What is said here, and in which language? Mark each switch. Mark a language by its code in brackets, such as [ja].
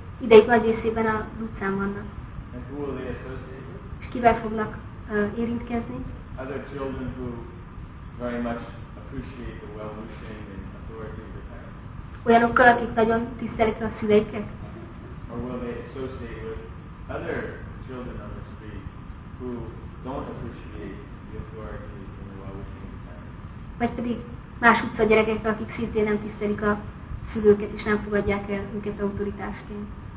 [hu] Ideig nagy részében az utcán vannak. [en] And who will they associate with? [hu] És kivel fognak érintkezni? [en] Other children who very much appreciate the well-wishing and authority of the parents. [hu] Olyanokkal, akik nagyon tisztelik a szüleiket? [en] Or will they associate with other children on the street who don't appreciate the authority and the well-wishing of the parents? [hu] Vagy pedig más utca gyerekek, akik szintén nem tisztelik a szülőket és nem fogadják el őket autoritásként.